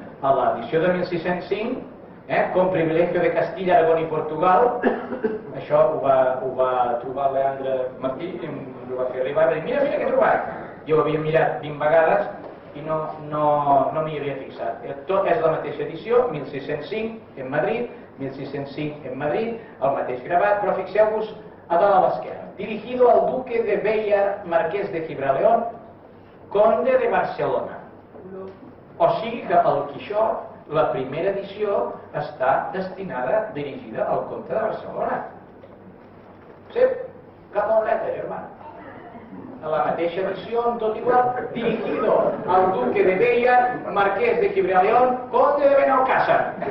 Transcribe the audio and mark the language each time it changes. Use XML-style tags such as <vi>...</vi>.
<ca>A l'edició de 1605, com</ca> <es>privilegio de Castilla,</es> <ca>Aragón i Portugal, això ho va trobar Leandre Martí i ho va fer arribar i va dir, mira què he trobat. Jo ho havia mirat 20 vegades i no m'hi havia fixat. Tot és la mateixa edició, 1605 en Madrid, 1605 en Madrid, el mateix gravat, però fixeu-vos a dalt a l'esquerra.</ca> <es>Dirigido al duque de Beia, marqués de Gibraleón, conde de Barcelona.</es> <ca>O sigui que el Quixot, la primera edició està destinada, dirigida al comte de Barcelona. Sí, cap a la dreta, germà. A la mateixa edició, en tot igual,</ca> <es>dirigido al duque de Beia, marqués de Gibraleón, conde de Benalcàssar.</es>